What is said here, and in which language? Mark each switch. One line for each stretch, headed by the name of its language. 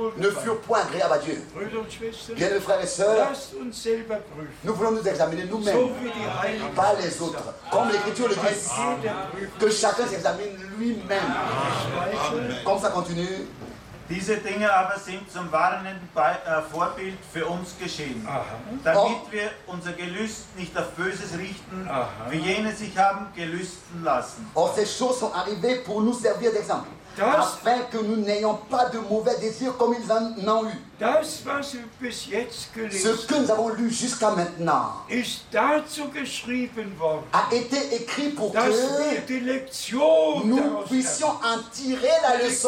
French: ne furent point agréables à Dieu. Bien, mes frères et sœurs, nous voulons nous examiner nous-mêmes,
German: so wie die Heiligen,
French: pas les autres, comme l'Écriture le dit, que chacun s'examine lui-même. Amen. Comme ça continue.
German: Diese Dinge aber sind zum warnenden Vorbild für uns geschehen, damit wir unser Gelüst nicht auf Böses richten, wie jene sich haben gelüsten lassen.
French: Oh, ces choses sont arrivées pour nous servir d'exemple, afin que nous n'ayons pas de mauvais désirs comme ils en ont eu.
German: Das, was wir bis jetzt gelesen,
French: ce que nous avons lu jusqu'à maintenant
German: ist dazu geschrieben worden,
French: a été écrit pour
German: dass
French: que
German: wir die Lektion
French: nous puissions en tirer la leçon.